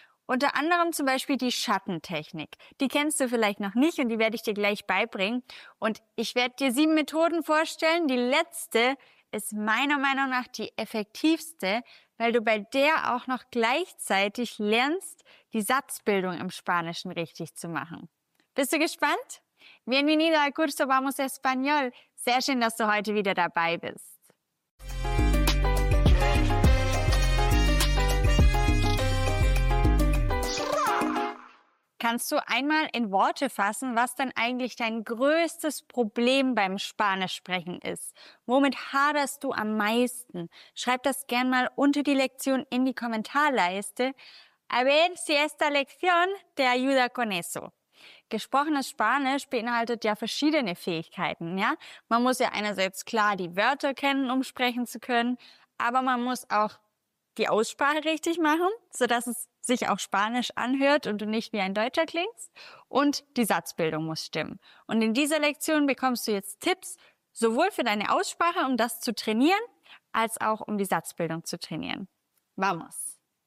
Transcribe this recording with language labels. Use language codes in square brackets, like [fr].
[de] Unter anderem zum Beispiel die Schattentechnik. Die kennst du vielleicht noch nicht und die werde ich dir gleich beibringen. Und ich werde dir 7 Methoden vorstellen. Die letzte ist meiner Meinung nach die effektivste, weil du bei der auch noch gleichzeitig lernst, die Satzbildung im Spanischen richtig zu machen. Bist du gespannt? [es] Bienvenido al curso Vamos Español. [de] Sehr schön, dass du heute wieder dabei bist. Kannst du einmal in Worte fassen, was denn eigentlich dein größtes Problem beim Spanischsprechen ist? Womit haderst du am meisten? Schreib das gern mal unter die Lektion in die Kommentarleiste. [es] A ver si esta lección te ayuda con eso. [de] Gesprochenes Spanisch beinhaltet ja verschiedene Fähigkeiten, ja? Man muss ja einerseits klar die Wörter kennen, um sprechen zu können, aber man muss auch die Aussprache richtig machen, sodass es sich auch Spanisch anhört und du nicht wie ein Deutscher klingst. Und die Satzbildung muss stimmen. Und in dieser Lektion bekommst du jetzt Tipps, sowohl für deine Aussprache, um das zu trainieren, als auch um die Satzbildung zu trainieren. Vamos!